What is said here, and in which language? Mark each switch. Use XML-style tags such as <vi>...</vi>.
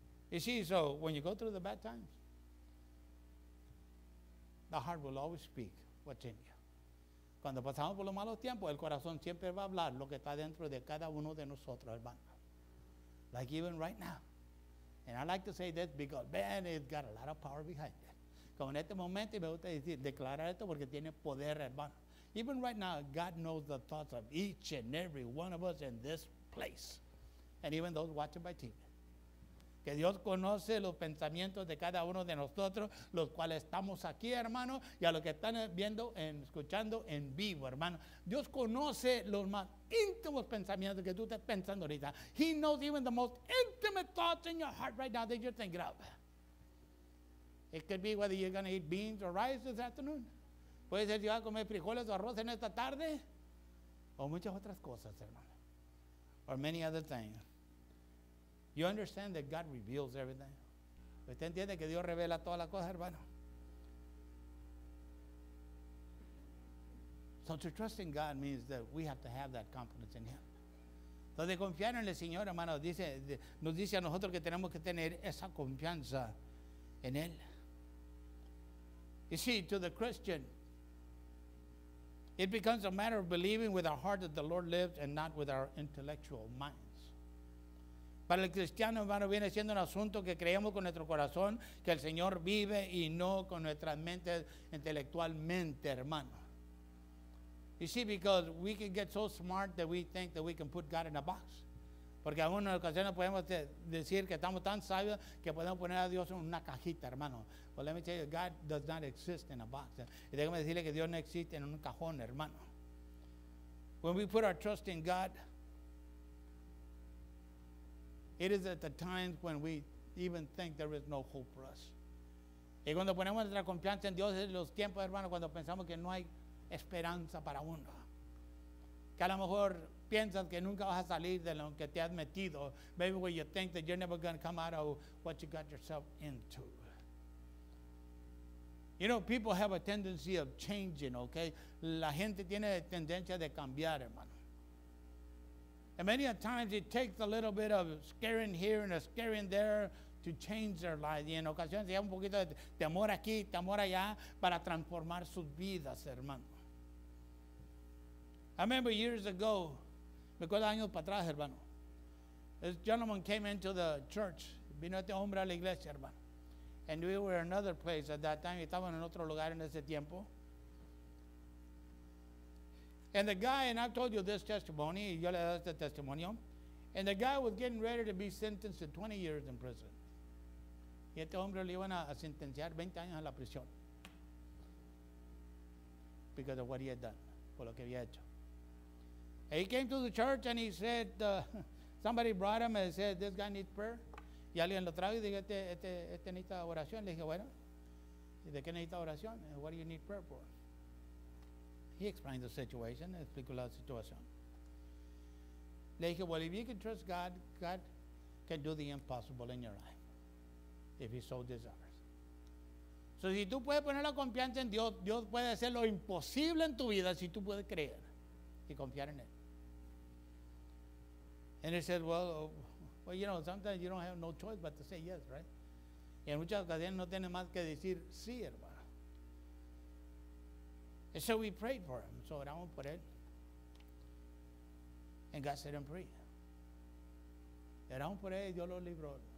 <en>You see, so when you go through the bad times, the heart will always speak what's in you.</en> <es>Cuando pasamos por los malos tiempos, el corazón siempre va a hablar lo que está dentro de cada uno de nosotros, hermano.</es> <en>Like even right now. And I like to say that because, man, it's got a lot of power behind it.</en> <es>Como en este momento, y me gusta decir, declarar esto porque tiene poder, hermano.</es> <en>Even right now, God knows the thoughts of each and every one of us in this place. And even those watching by TV.</en> <es>Que Dios conoce los pensamientos de cada uno de nosotros, los cuales estamos aquí, hermano, y a los que están viendo, escuchando en vivo, hermano. Dios conoce los más íntimos pensamientos que tú estás pensando ahorita.</es> <en>He knows even the most intimate thoughts in your heart right now that you're thinking of. It could be whether you're going to eat beans or rice this afternoon.</en> <es>Puede ser si vas a comer frijoles o arroz en esta tarde. O muchas otras cosas, hermano.</es> <en>Or many other things. You understand that God reveals everything.</en> <es>¿Usted entiende que Dios revela todas las cosas, hermano?</es> <en>So to trust in God means that we have to have that confidence in Him.</en> <es>Entonces, confiar en el Señor, hermano, nos dice a nosotros que tenemos que tener esa confianza en Él.</es> <en>You see, to the Christian, it becomes a matter of believing with our heart that the Lord lives and not with our intellectual minds.</en> <es>Para el cristiano, hermano, viene siendo un asunto que creemos con nuestro corazón que el Señor vive y no con nuestra mente intelectualmente, hermano.</es> <en>You see, because we can get so smart that we think that we can put God in a box.</en> <es>Porque a una ocasión podemos decir que estamos tan sabios que podemos poner a Dios en una cajita, hermano.</es> <en>Well, let me tell you, God does not exist in a box.</en> <es>Y déjame decirle que Dios no existe en un cajón, hermano.</es> <en>When we put our trust in God, it is at the times when we even think there is no hope for us.</en> <es>Y cuando ponemos nuestra confianza en Dios, es los tiempos, hermano, cuando pensamos que no hay esperanza para uno. Que a lo mejor piensas que nunca vas a salir de lo que te has metido.</es> <en>Maybe when you think that you're never going to come out of what you got yourself into. You know, people have a tendency of changing, okay?</en> <es>La gente tiene tendencia de cambiar, hermano.</es> <en>And many a times it takes a little bit of scaring here and a scaring there to change their life.</en> <es>Y en ocasiones hay un poquito de temor aquí, temor allá, para transformar sus vidas, hermano.</es> <en>I remember years ago,</en> <es>me acuerdo años para atrás, hermano.</es> <en>This gentleman came into the church.</en> <es>Vino este hombre a la iglesia, hermano.</es> <en>And we were in another place at that time.</en> <es>Estaban en otro lugar en ese tiempo.</es> <en>And the guy, and I've told you this testimony,</en> <es>yo le he dado este testimonio.</es> <en>And the guy was getting ready to be sentenced to 20 years in prison.</en> <es>Y este hombre le iban a sentenciar 20 años a la prisión.</es> <en>Because of what he had done,</en> <es>por lo que había hecho.</es> <en>And he came to the church and he said, somebody brought him and said, this guy needs prayer.</en> <es>Y alguien lo trajo y dije, este necesita oración. Le dije, bueno, ¿de qué necesita oración?</es> <en>What do you need prayer for? He explained the situation,</en> <es>explicó la situación. Le dije,</es> <en>well, if you can trust God, God can do the impossible in your life, if he so desires.</en> <es>So si tú puedes poner la confianza en Dios, Dios puede hacer lo imposible en tu vida si tú puedes creer y confiar en Él.</es> <en>And he said, well, you know, sometimes you don't have no choice but to say yes, right?</en> <es>Y en muchas ocasiones no tiene más que decir sí, hermano.</es> <en>And so we prayed for him.</en> <es>So oramos por él.</es> <en>And God set him free.</en> <es>Oramos por él y Dios lo libró.</es>